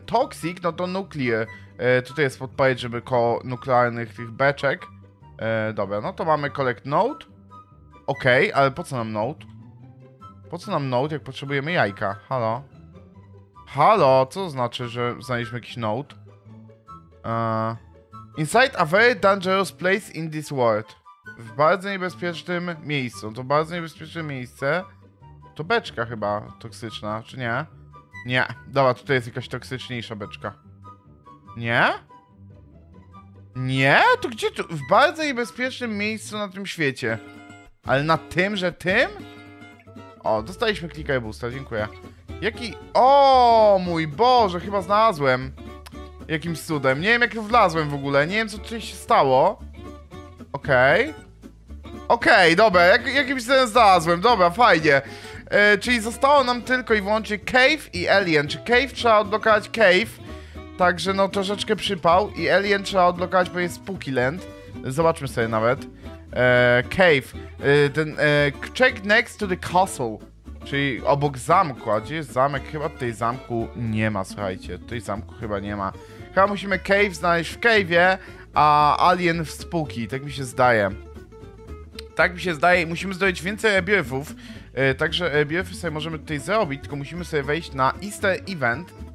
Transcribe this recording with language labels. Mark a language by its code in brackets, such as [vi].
[pl] Toxic, no to Nuclear. Tutaj jest podpowiedź, żeby koło nuklearnych tych beczek. Dobra, no to mamy collect note. Okej, okay, ale po co nam note? Po co nam note, jak potrzebujemy jajka? Halo? Halo, co to znaczy, że znaliśmy jakiś note? [en] Inside a very dangerous place in this world. [pl] W bardzo niebezpiecznym miejscu. To bardzo niebezpieczne miejsce. To beczka chyba toksyczna, czy nie? Nie, dobra, tutaj jest jakaś toksyczniejsza beczka. Nie? Nie? To gdzie tu? W bardzo niebezpiecznym miejscu na tym świecie. Ale na tym, że tym? O, dostaliśmy klika i boosta, dziękuję. Jaki... O, mój Boże, chyba znalazłem. Jakimś cudem. Nie wiem, jak to wlazłem w ogóle. Nie wiem, co tutaj się stało. Okej. Okej, dobra. Jakimś cudem znalazłem. Dobra, fajnie. Czyli zostało nam tylko i wyłącznie Cave i Alien. Czy Cave trzeba odblokować? Cave. Także no troszeczkę przypał i Alien trzeba odblokować, bo jest Spooky Land. Zobaczmy sobie nawet. Cave. [en] Ten check next to the castle. [pl] Czyli obok zamku. A gdzie jest zamek? Chyba tutaj zamku nie ma, słuchajcie. Tutaj zamku chyba nie ma. Chyba musimy Cave znaleźć w Cave'ie, a Alien w Spooky. Tak mi się zdaje. Tak mi się zdaje. Musimy zdobyć więcej rebirthów. Także rebirthy sobie możemy tutaj zrobić, tylko musimy sobie wejść na Easter Event.